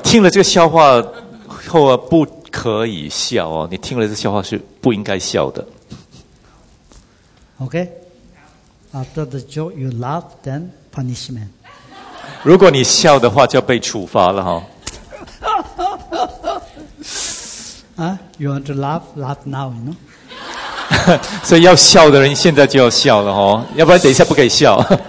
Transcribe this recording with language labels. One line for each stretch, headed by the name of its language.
Chinese: 听了这个笑话后不可以笑哦，你听了这个笑话是不应该笑的。
English: OK, after the joke you laugh, then punishment.
Chinese: 如果你笑的话就要被处罚了哈。
English: You want to laugh? Laugh now, you know?
Chinese: 所以要笑的人现在就要笑了哈，要不然等一下不可以笑。